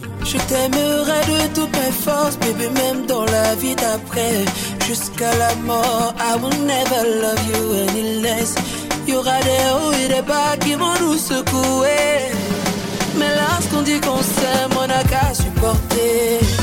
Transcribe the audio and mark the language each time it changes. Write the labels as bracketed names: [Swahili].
[French] Je t'aimerai de toutes mes forces, bébé, même dans la vie d'après, jusqu'à la mort. [English] I will never love you any less. [French] Y'aura des hauts et des bas qui vont nous secouer. Mais lorsqu'on dit qu'on s'aime, on n'a qu'à supporter.